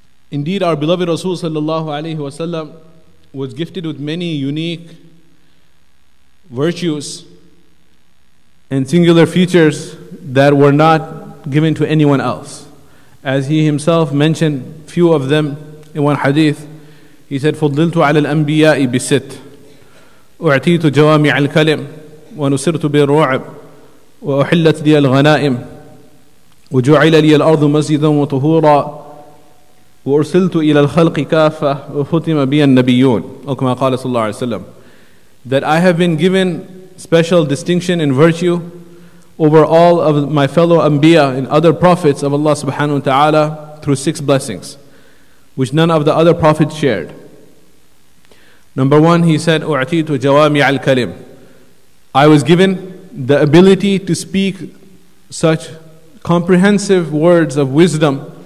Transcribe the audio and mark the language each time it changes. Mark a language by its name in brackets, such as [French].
[English] Indeed, our beloved Rasul sallallahu alaihi wasallam was gifted with many unique virtues and singular features that were not given to anyone else. As he himself mentioned few of them in one hadith, he said, [Arabic] فُضِّلْتُ عَلَى الْأَنْبِيَاءِ بِسِتْءٍ أُعْتِيتُ جَوَامِعَ الْكَلِمِ ونصرت بالرعب وأحلت لي الغنائم وجعل لي الأرض مسجدا وطهورا وأرسلت إلى الخلق كافة وختم بي النبيون أو كما قال صلى الله عليه وسلم. [English] That I have been given special distinction in virtue over all of my fellow Anbiya and other prophets of Allah subhanahu wa ta'ala through 6 blessings which none of the other prophets shared. Number one, he said, [Arabic] أُعْتِيتُ جَوَامِعَ الْكَلِمِ, [English] I was given the ability to speak such comprehensive words of wisdom.